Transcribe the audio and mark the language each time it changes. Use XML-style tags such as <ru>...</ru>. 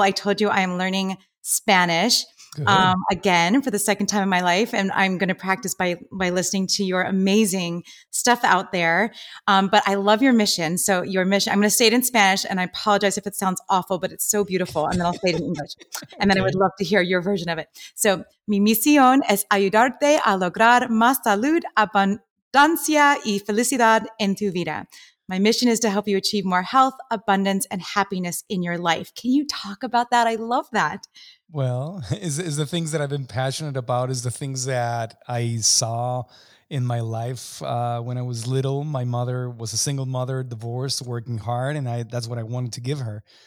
<en>I told you I am learning Spanish again for the second time in my life, and I'm going to practice by listening to your amazing stuff out there. But I love your mission. So your mission, I'm going to say it in Spanish, and I apologize if it sounds awful, but it's so beautiful. And then I'll say it in English. And then I would love to hear your version of it.</en> <es>So mi misión es ayudarte a lograr más salud, abundancia y felicidad en tu vida.</es> <en>My mission is to help you achieve more health, abundance, and happiness in your life. Can you talk about that? I love that. Well, is the things that I've been passionate about is the things that I saw in my life when I was little. My mother was a single mother, divorced, working hard, and that's what I wanted to give her.</en>